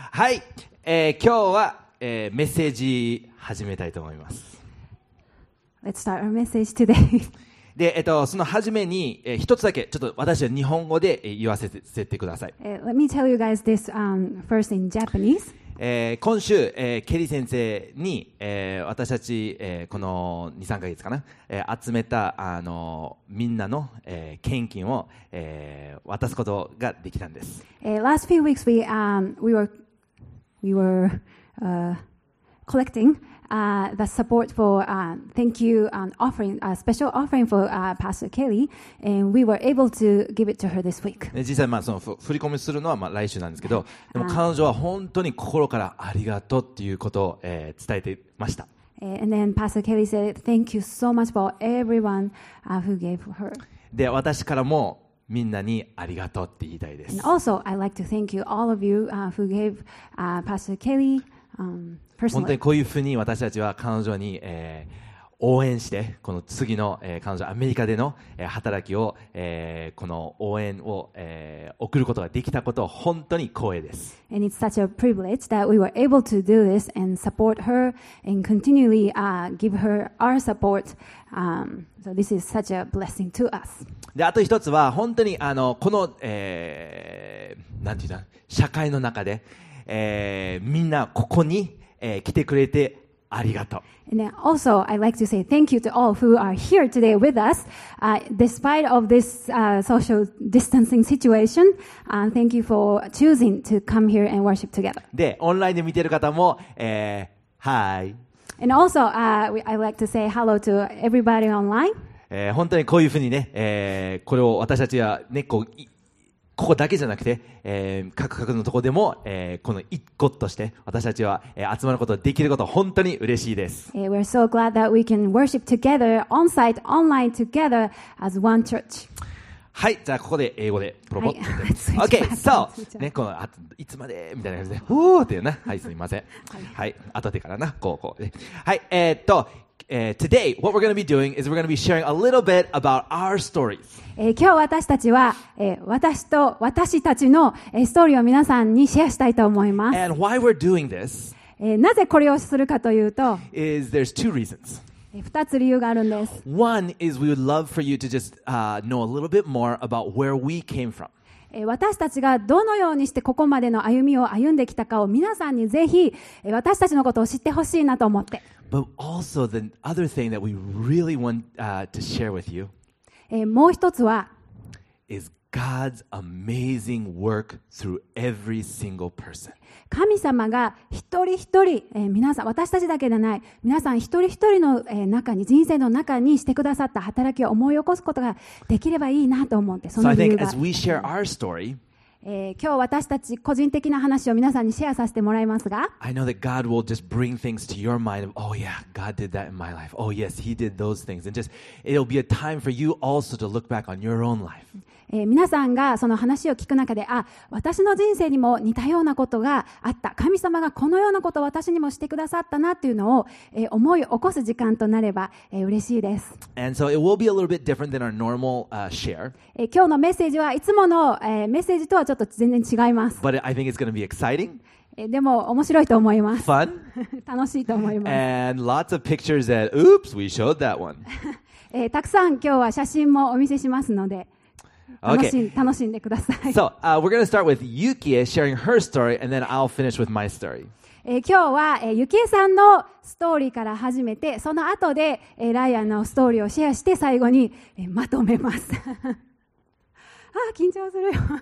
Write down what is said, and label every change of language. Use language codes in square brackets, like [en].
[ja] はい、今日は、メッセージ始めたいと思います。 [en] Let's start our message today. [ja] で、その初めに、一つだけちょっと私は日本語で言わせ てください。 [en] Let me tell you guys this, first in Japanese. [ja] 今週、ケリー先生に、私たち、この2、3ヶ月かな、集めたあのみんなの、献金を、渡すことができたんです。 [en] Last few weeks we were collecting the support for thank you offering a special offering for Pastor Kelly and we were able to give it to her this week. [ja] 実際まあその振り込みするのはまあ来週なんですけど、でも彼女は本当に心からありがとうっていうことを、伝えていました。 [en] And then Pastor Kelly said thank you so much for everyone who gave her. [ja] で私からもみんなにありがとうって言いたいです。 [en] And also, I'd like to thank you, all of you, who gave, Pastor Kelly, personally. [ja] 本当にこういうふうに私たちは彼女に、応援して、この次の、彼女アメリカでの、働きを、この応援を、送ることができたことを本当に光栄です。 [en] And it's such a privilege that we were able to do this and support her and continually, give her our support. So this is such a blessing to us. [ja] で、あと一つは本当にあの、この、なんていうの、社会の中で、みんなここに、来てくれて、ありがとう。 [en] And then also, I'd like to say thank you to all who are here today with us. Despite of this social distancing situation, thank you for choosing to come here and worship together. [ja] で、オンラインで見てる方も、はい。 [en] And also, I'd like to say hello to everybody online. [ja] 本当にこういうふうにね、これを私たちはね、ここだけじゃなくて、各々のところでも、この一個として私たちは、集まることができること本当に嬉しいです。 [en] We're so glad that we can worship together on site, online together as one church. [ja] はい、じゃあここで英語でプロポッと。はい、OK、そう、ね、このあいつまでみたいな感じで、おーっていうな。はい、すみません。はい、後でからな、こう、ね。 [en] はい、today, what we're going to be doing is we're going to be sharing a little bit about our stories. [ja] 今日私たちは、私と私たちの、ストーリーを皆さんにシェアしたいと思います。 [en] And why we're doing this, [ja] なぜこれをするかというと、 [en] is there's two reasons. [ja] 二つ理由があるんです。 [en] One is we would love for you to just, know a little bit more about where we came from. [ja] 私たちがどのようにしてここまでの歩みを歩んできたかを皆さんにぜひ私たちのことを知ってほしいなと思って。 [en] But also the other thing that we really want, to share with you, [ja] もう一つは [en] is God's amazing work through every single person. [ja] 神様が一人一人、皆さん私たちだけでない皆さん一人一人の、中に人生の中にしてくださった働きを思い起こすことができればいいなと思ってその理由が。 [en] So I think as we share our story, [ja] 今日私たち個人的な話を皆さんにシェアさせてもらいますが、 [en] I know that God will just bring things to your mind of, oh yeah, God did that in my life. Oh yes, He did those things. And just, it'll be a time for you also to look back on your own life. [ja] 皆さんがその話を聞く中で、あ、私の人生にも似たようなことがあった。神様がこのようなことを私にもしてくださったなっていうのを、思い起こす時間となれば、嬉しいです。 [en] And so it will be a little bit different than our normal, share. [ja] 今日のメッセージはいつもの、メッセージとはちょっと全然違います。 [en] But I think it's going to be exciting. [ja] でも面白いと思います。 [en] Fun? [ja] 楽しいと思います。 [en] And lots of pictures that, oops, we showed that one. [ja] たくさん今日は写真もお見せしますので、 [en] Okay. [ja] 楽しんでください。 [en] So, we're going to start with Yukie sharing her story, and then I'll finish with my story. [ja] 今日は、Yukie さんのストーリーから始めて、その後で、ライアンのストーリーをシェアして最後に、まとめます。あ、緊張するよ。